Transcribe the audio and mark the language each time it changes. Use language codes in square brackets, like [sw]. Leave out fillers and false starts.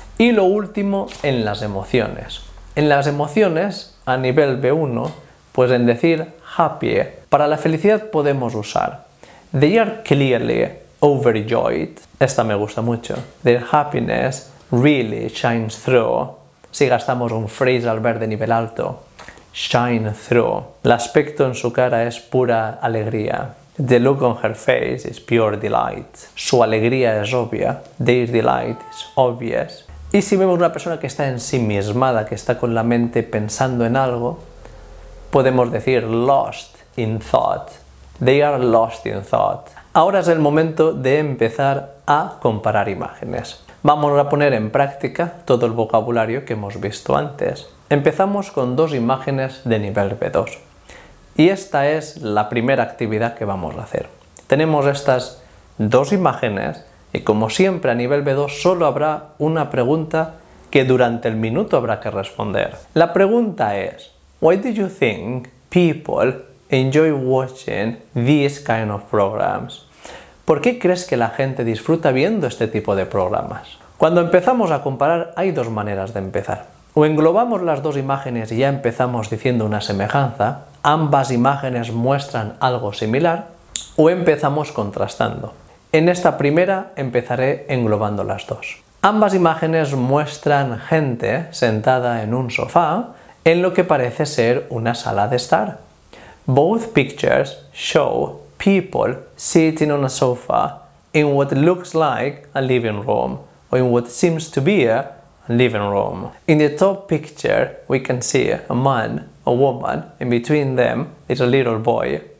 [es] Y lo último, en las emociones. En las emociones, a nivel B1, pues en decir happy, para la felicidad podemos usar [en] they are clearly overjoyed. [es] Esta me gusta mucho. [en] Their happiness really shines through. [es] Si gastamos un phrasal verb de nivel alto, shine through. El aspecto en su cara es pura alegría. [en] The look on her face is pure delight. [es] Su alegría es obvia. [en] Their delight is obvious. [es] Y si vemos una persona que está ensimismada, que está con la mente pensando en algo, podemos decir lost in thought. [en] They are lost in thought. [es] Ahora es el momento de empezar a comparar imágenes. Vamos a poner en práctica todo el vocabulario que hemos visto antes. Empezamos con dos imágenes de nivel B2. Y esta es la primera actividad que vamos a hacer. Tenemos estas dos imágenes y como siempre a nivel B2 solo habrá una pregunta que durante el minuto habrá que responder. La pregunta es, [en] why do you think people enjoy watching these kind of programs? [es] ¿Por qué crees que la gente disfruta viendo este tipo de programas? Cuando empezamos a comparar hay dos maneras de empezar. O englobamos las dos imágenes y ya empezamos diciendo una semejanza, ambas imágenes muestran algo similar, o empezamos contrastando. En esta primera empezaré englobando las dos. Ambas imágenes muestran gente sentada en un sofá en lo que parece ser una sala de estar. [en] Both pictures show people sitting on a sofa in what looks like a living room or in what seems to be a living room. In the top picture, we can see a man, a woman, and between them is a little boy.